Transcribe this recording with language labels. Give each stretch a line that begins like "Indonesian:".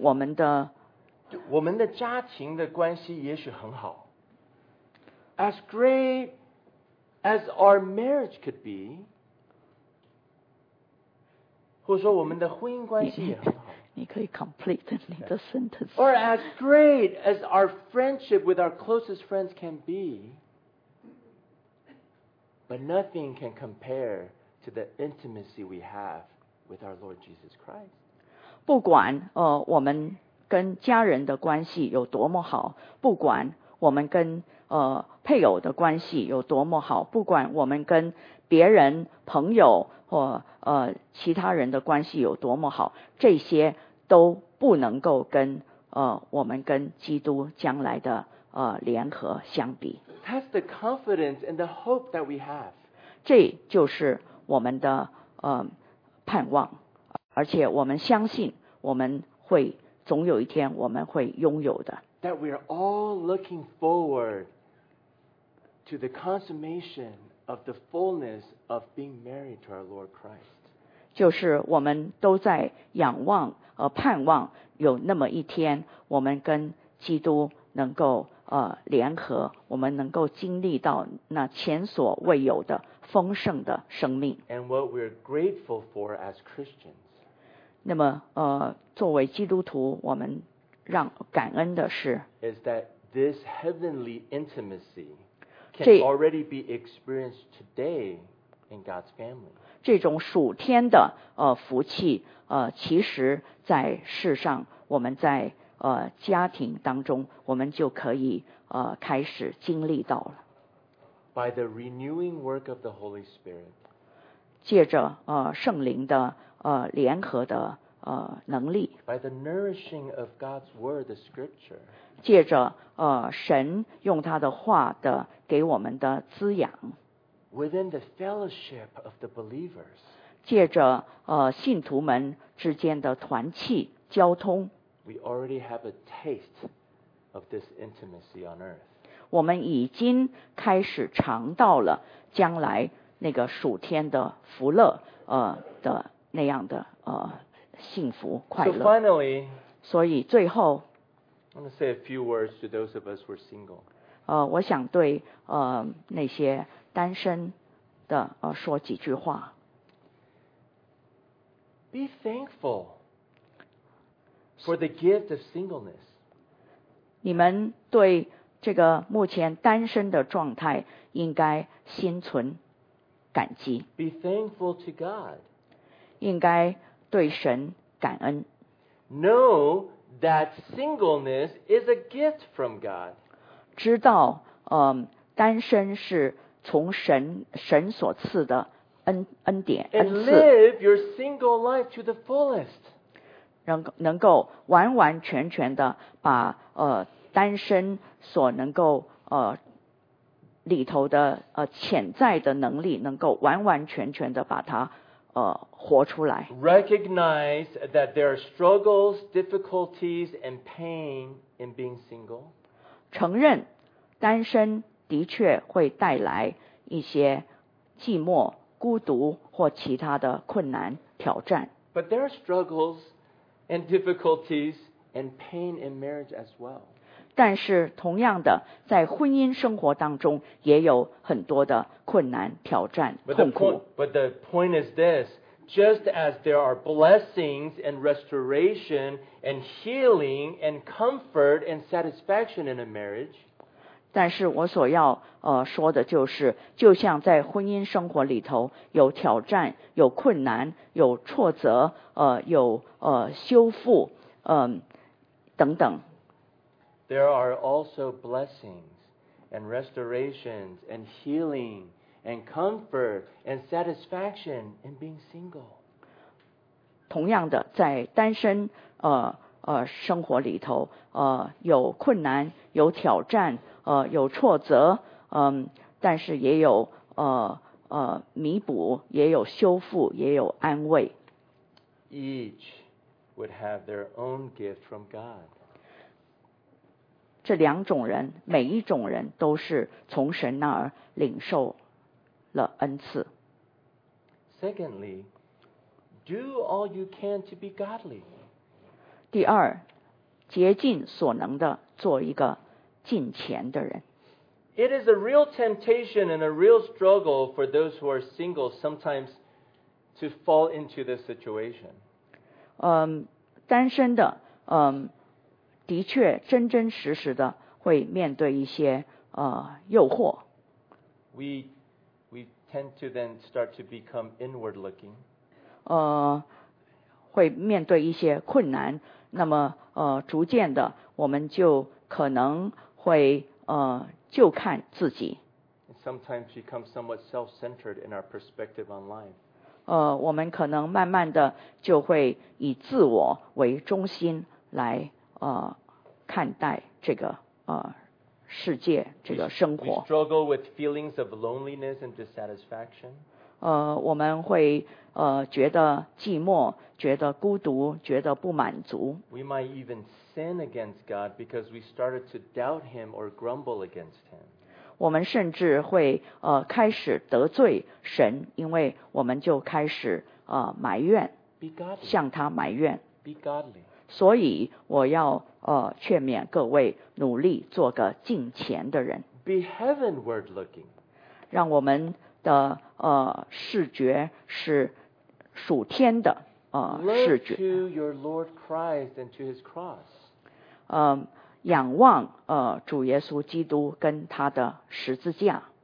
Chinese: 我们的家庭的关系也许很好。
English: As great as our marriage could be.
Chinese: 或者说我们的婚姻关系也很好。你可以
English: complete
Chinese: 你的
English: sentence。 Or as great as our friendship with our closest friends can be, but nothing can compare to the intimacy we have with our Lord Jesus Christ.
Chinese: 不管我们跟家人的关系有多么好，不管我们跟配偶的关系有多么好，不管我们跟别人、朋友或其他人的关系有多么好，这些都不能够跟我们跟基督将来的联合相比。
English: That's the confidence and the hope that we have.
Chinese: 这就是我们的盼望，而且我们相信我们会总有一天我们会拥有的。
English: That we are all looking forward to the consummation of the fullness of being married to our Lord Christ.
Chinese: 就是我们都在仰望和盼望有那么一天我们跟基督能够联合，我们能够经历到那前所未有的丰盛的生命。
English: And what we're grateful for as Christians.
Chinese: 那么作为基督徒，我们让感恩的是
English: is that this heavenly intimacy can already be experienced today in God's family.
Chinese: 这种属天的福气其实在世上我们在家庭当中我们就可以开始经历到了。
English: By the renewing work of the Holy Spirit,
Chinese: 借着圣灵的联合的能力。
English: By the nourishing of God's word, the scripture,
Chinese: 借着神用他的话的给我们的滋养。
English: Within the fellowship of the believers,
Chinese: 借着信徒们之间的团契交通。
English: We already have a taste of this intimacy on earth.
Chinese: 我们已经开始尝到了将来那个属天的福乐的那样的幸福快乐。
English: So finally,
Chinese: 所以最后
English: I want to say a few words to those of us who are single.
Chinese: 我想对那些单身的说几句话。
English: Be thankful. For the gift of singleness.
Chinese: 你们对这个目前单身的状态应该心存感激。
English: Be thankful to God.
Chinese: 应该对神感恩。
English: Know that singleness is a gift from God.
Chinese: 知道单身是从神所赐的恩典恩赐。
English: And live your single life to the fullest.
Chinese: 能够完完全全的把单身所能够里头的潜在的能力能够完完全全的把它活出来。
English: Recognize that there are struggles, difficulties, and pain in being single.
Chinese: 承认单身的确会带来一些寂寞、孤独或其他的困难挑战。
English: But there are strugglesand difficulties and pain in marriage as well.
Chinese: 但是同样的在婚姻生活当中也有很多的困难挑战痛苦。
English: But the point is this, just as there are blessings and restoration and healing and comfort and satisfaction in a marriage,
Chinese: 但是我所要说的就是就像在婚姻生活里头有挑战有困难有挫折有修复等等。
English: There are also blessings and restorations and healing and comfort and satisfaction in being single.
Chinese: 同样的在单身生活里头有困难有挑战有挫折但是也有弥补也有修复也有安慰。
English: Each would have their own gift from God.
Chinese: 这两种人每一种人都是从神那儿领受了恩赐。
English: Secondly, do all you can to be godly.
Chinese: 第二竭尽所能的做一个敬虔的人。
English: It is a real temptation and a real struggle for those who are single sometimes to fall into this situation.
Chinese: 单身的的确真真实实的会面对一些诱惑。
English: We tend to then start to become inward looking.
Chinese: 会面对一些困难，那么逐渐的我们就可能会就看自己。
English: Sometimes become somewhat self-centered in our perspective on life.
Chinese: 我们可能慢慢的就会以自我为中心来看待这个世界，这个生活。
English: We struggle with feelings of loneliness and dissatisfaction.
Chinese: 我们会觉得寂寞，觉得孤独，觉得不满足。
English: We might even sin against God because we started to doubt Him or grumble against Him.
Chinese: 我们甚至会开始得罪神，因为我们就开始埋怨，向他埋怨。所以我要劝勉各位，努力做个敬虔的人。
English: Be heavenward looking.
Chinese: 让我们的视觉是属天的视觉。
English: Look to your Lord Christ and to His cross.
Chinese: 仰望主耶稣基督跟他的十字架。